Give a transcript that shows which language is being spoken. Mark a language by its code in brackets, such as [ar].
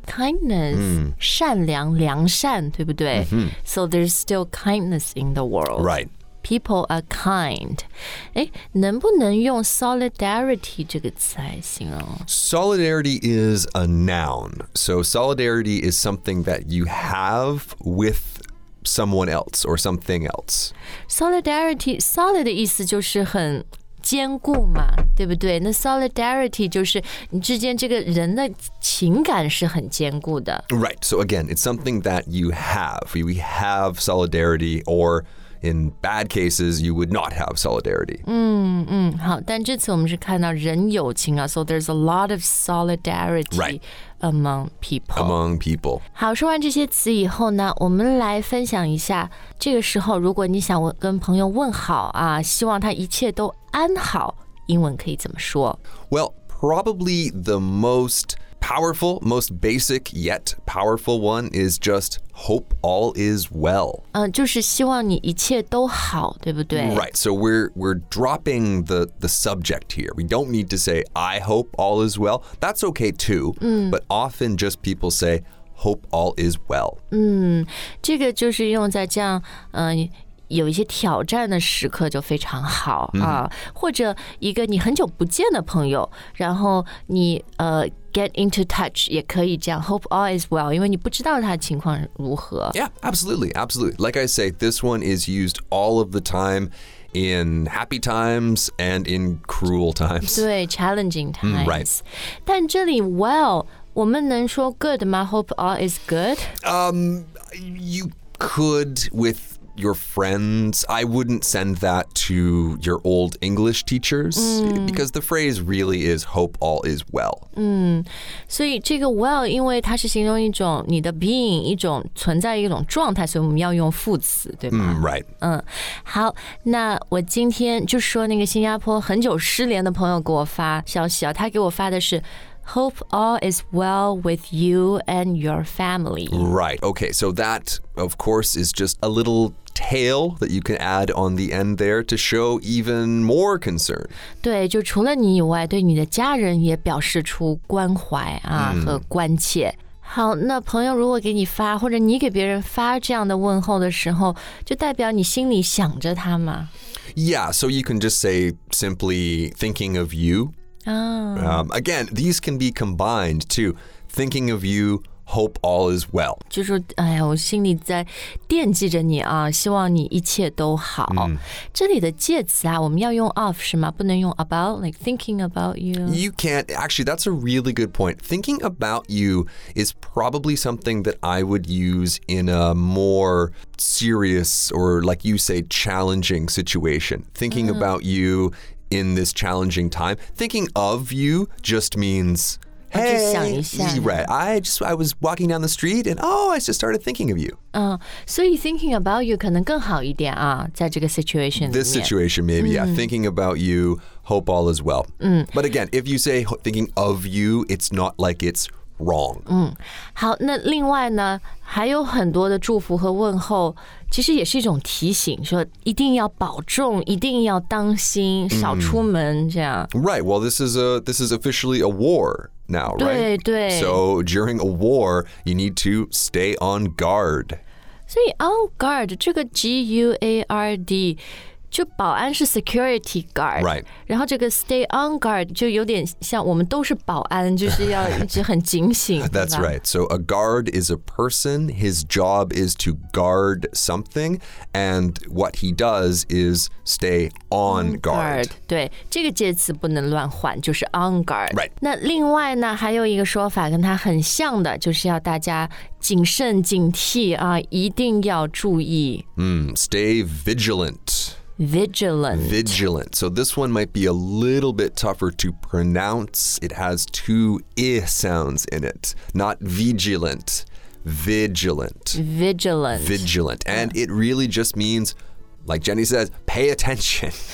[zh] Kindness、善良良善对不对、 mm-hmm. [en] So there's still kindness in the world Right People are kind [zh] 能不能用 solidarity 这个词来形容 [en] Solidarity is a noun So solidarity is something that you have withsomeone else or something else. [zh] Solidarity, solid 的意思就是很坚固嘛，对不对？那 solidarity 就是你之间这个人的情感是很坚固的。 [en] Right, so again, it's something that you have. We have solidarity or in bad cases, you would not have solidarity. [zh] 好，但这次我们是看到人有情啊， [en] so there's a lot of solidarity. Right. Among people. [zh] 好，说完这些词以后呢，我们来分享一下。这个时候，如果你想跟朋友问好啊，希望他一切都安好，英文可以怎么说 [en] ？Well, probably the most powerful, most basic yet powerful one is just hope all is well. [zh] 就是希望你一切都好，对不对 [en] ？Right. So we're dropping the subject here. We don't need to say I hope all is well. That's okay too. But often just people say hope all is well. [zh] 这个就是用在这样有一些挑战的时刻就非常好、或者一个你很久不见的朋友，然后你 [en] get into touch [zh] 也可以这样 [en] hope all is well， [zh] 因为你不知道他的情况如何。 [en] Yeah, absolutely, absolutely. Like I say, this one is used all of the time in happy times and in cruel times. 对 challenging times.、 Right. [zh] 但这里 well， 我们能说 good 吗 ？ [en] Hope all is good. You could with your friends, I wouldn't send that to your old English teachers, because the phrase really is hope all is well. [zh] 所以这个 well, 因为它是形容一种你的 being, 一种存在一种状态，所以我们要用副词，对吧？ [en] Right. [zh] 好，那我今天就说那个新加坡很久失联的朋友给我发消息啊，他给我发的是 [en] Hope all is well with you and your family. Right. Okay. So that, of course, is just a little tail that you can add on the end there to show even more concern. [zh] 对，就除了你以外，对你的家人也表示出关怀啊和关切。好，那朋友如果给你发，或者你给别人发这样的问候的时候，就代表你心里想着他吗？ [en] Yeah. So you can just say simply thinking of you. Again, these can be combined too. Thinking of you, hope all is well. [zh] 就是哎呀，我心里在惦记着你啊，希望你一切都好。这里的介词啊，我们要用 of 是吗？不能用 about, [en] like thinking about you. You can't. Actually, that's a really good point. Thinking about you is probably something that I would use in a more serious or, like you say, challenging situation. Thinking about youin this challenging time. Thinking of you just means, hey, [zh] 就想一下 [en] right, I was walking down the street and, I just started thinking of you. So you thinking about you [zh] 可能更好一点啊，在这个 situation 里面。 [en] This situation maybe, yeah. Thinking about you, hope all is well. But again, if you say thinking of you, it's not like it's wrong. [zh] 好，那另外呢，还有很多的祝福和问候其实也是一种提醒，说一定要保重，一定要当心，少出门这样。 [en] Right. Well, this is officially a war now, right? [zh] 对对。 [en] So during a war, you need to stay on guard. [zh] 所以 on guard 这个 G-U-A-R-D 就保安是 security guard. [en] Right. [zh] 然后这个 stay on guard 就有点像我们都是保安，就是要一直很警醒。 [en] That's right. So a guard is a person. His job is to guard something. And what he does is stay on guard. [zh] 对，这个介词不能乱换，就是 on guard. [en] Right. [zh] 那另外呢，还有一个说法跟它很像的，就是要大家谨慎警惕啊，一定要注意。 [en] Stay vigilant. Vigilant. So this one might be a little bit tougher to pronounce. It has two ih sounds in it. Not vigilant. Vigilant. Vigilant. Vigilant. And it really just means, like Jenny says, pay attention.